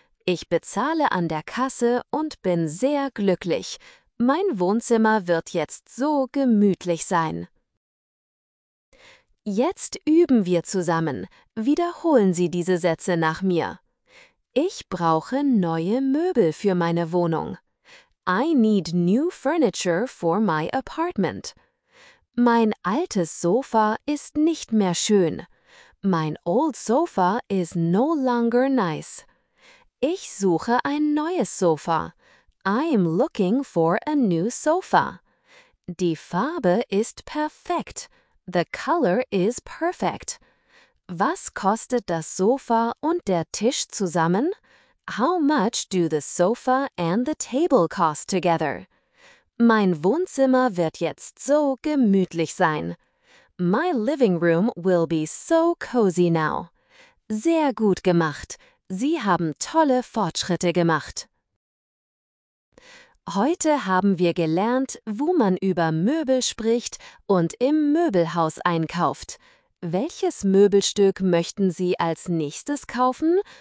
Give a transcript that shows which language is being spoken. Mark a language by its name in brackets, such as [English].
[German] Ich bezahle an der Kasse und bin sehr glücklich. Mein Wohnzimmer wird jetzt so gemütlich sein. Jetzt üben wir zusammen. Wiederholen Sie diese Sätze nach mir. Ich brauche neue Möbel für meine Wohnung. [English] I need new furniture for my apartment. [German] Mein altes Sofa ist nicht mehr schön. Mein [English] old sofa is no longer nice. [German] Ich suche ein neues Sofa. [English] I am looking for a new sofa. [German] Die Farbe ist perfekt. [English] The color is perfect. [German] Was kostet das Sofa und der Tisch zusammen? [English] How much do the sofa and the table cost together? [German] Mein Wohnzimmer wird jetzt so gemütlich sein. [English] My living room will be so cozy now. [German] Sehr gut gemacht. Sie haben tolle Fortschritte gemacht. Heute haben wir gelernt, wo man über Möbel spricht und im Möbelhaus einkauft. Welches Möbelstück möchten Sie als nächstes kaufen?